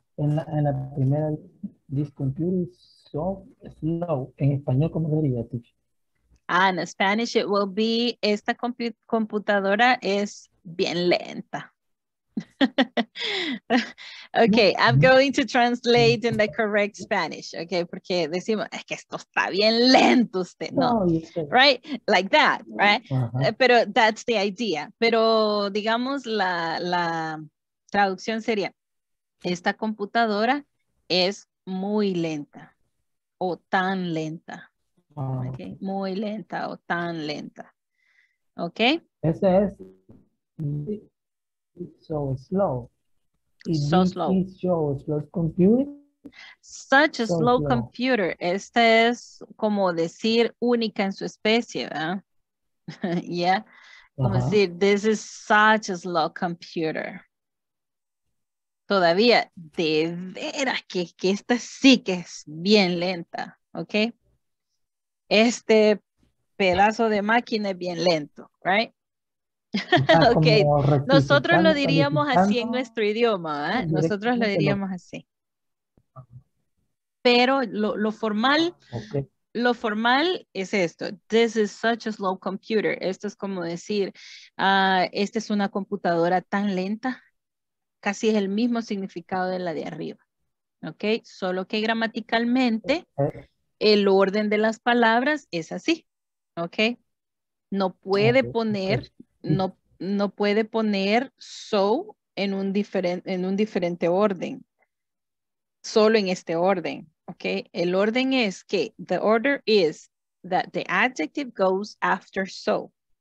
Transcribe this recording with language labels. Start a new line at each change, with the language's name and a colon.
English: En la primera, this computer is so slow.
Spanish: En español, ¿cómo sería?
English: In Spanish, it will be, esta computadora es bien lenta. Okay, I'm going to translate in the correct Spanish, okay?
Spanish: Porque decimos, es que esto está bien lento usted, ¿no?
English: Right? Like that, right? Uh-huh. Pero that's the idea.
Spanish: Pero digamos, la traducción sería, esta computadora es muy lenta o tan lenta. Okay. Muy lenta o tan lenta. Ok.
English: Ese es so slow. So slow. Show, slow computer. Such a so slow computer.
Spanish: Este es como decir única en su especie, ¿verdad?
English: Yeah. Como decir, this is such a slow computer.
Spanish: Todavía, de veras que esta sí que es bien lenta. Ok. Este pedazo de máquina es bien lento, right? Ok, nosotros lo diríamos así en nuestro idioma, ¿eh? Nosotros lo diríamos así. Pero lo formal es esto, this is such a slow computer. Esto es como decir, esta es una computadora tan lenta, casi es el mismo significado de la de arriba. Ok, solo que gramaticalmente... el orden de las palabras es así, ¿ok? No puede poner, no puede poner so en un diferente orden. Solo en este orden, ¿ok?
English: El orden es que, the order is that the adjective goes after so.